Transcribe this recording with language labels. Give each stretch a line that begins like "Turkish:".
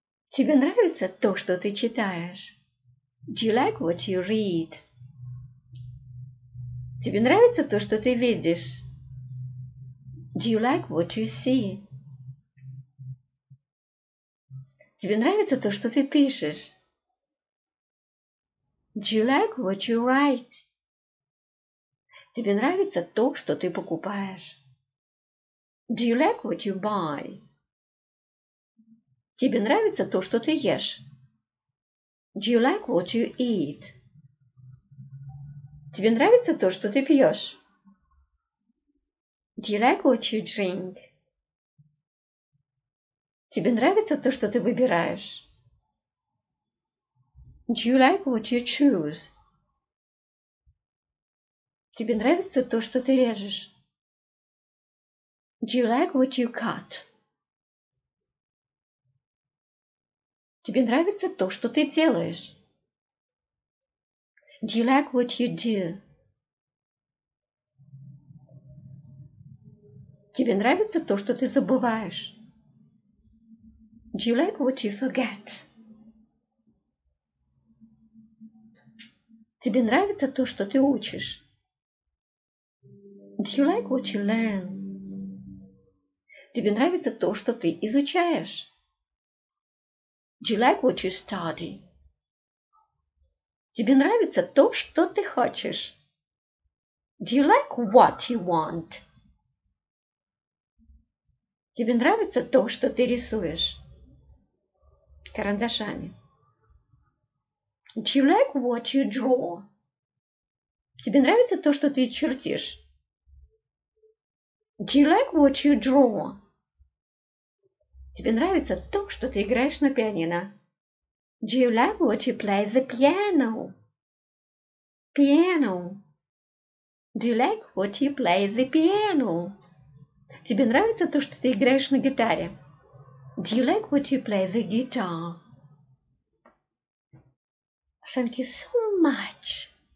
Russian: Тебе нравится то, что ты читаешь?
English: Do you like what you read?
Russian: Тебе нравится то, что ты видишь?
English: Do you like what you see?
Russian: Тебе нравится то, что ты пишешь?
English: Do you like what you write?
Russian: Тебе нравится то, что ты покупаешь?
English: Do you like what you buy?
Russian: Тебе нравится то, что ты ешь?
English: Do you like what you eat?
Russian: Тебе нравится то, что ты пьешь?
English: Do you like what you drink?
Russian: Тебе нравится то, что ты выбираешь?
English: Do you like what you choose?
Russian: Тебе нравится то, что ты режешь?
English: Do you like what you cut?
Russian: Тебе нравится то, что ты делаешь?
English: Do you like what you do?
Russian: Тебе нравится то, что ты забываешь?
English: Do you like what you forget?
Russian: Тебе нравится то, что ты учишь?
English: Do you like what you learn?
Russian: Тебе нравится то, что ты изучаешь?
English: Do you like what you study?
Russian: Тебе нравится то, что ты хочешь?
English: Do you like what you want?
Russian: Тебе нравится то, что ты рисуешь карандашами?
English: Do you like what you draw?
Russian: Тебе нравится то, что ты чертишь?
English: Do you like what you draw?
Russian: Тебе нравится то, что ты играешь на пианино?
English: Do you like what you play the piano? Piano. Do you like what you play the piano?
Russian: Тебе нравится то, что ты играешь на гитаре?
English: Do you like what you play the guitar? Thank you so much.